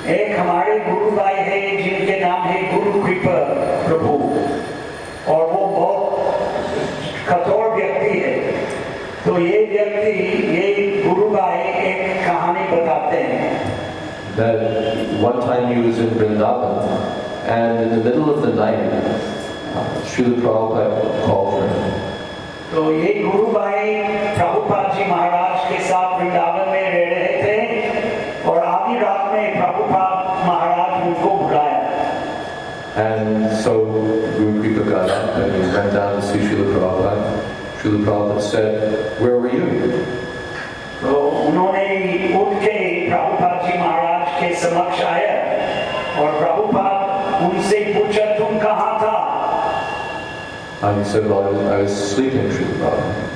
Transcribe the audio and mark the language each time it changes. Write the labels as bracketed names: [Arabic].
[Hindi] एक हमारे गुरु भाई है जिनके नाम है गुरु कृपा प्रभु और वो बहुत कठोर व्यक्ति है। तो ये व्यक्ति ये गुरु भाई एक कहानी बताते हैं। [English] That one time he was in Vrindavan and in the middle of the night Srila Prabhupada called for him. [Hindi] तो ये गुरु भाई प्रभुपाद जी महाराज के साथ वृंदावन में रह रहे थे और आधी रात में प्रभुपाद महाराज उनको बुलाया। [English] And so Guru Kripa got up and he went down to see Srila Prabhupada. Srila Prabhupada said, "Where were you?" [Hindi] तो उन्होंने उठ के प्रभुपाद जी महाराज के समक्ष आया और प्रभुपाद उनसे पूछा, "तुम कहाँ था?" [English] And he said, "Well, I was sleeping, Srila Prabhupada."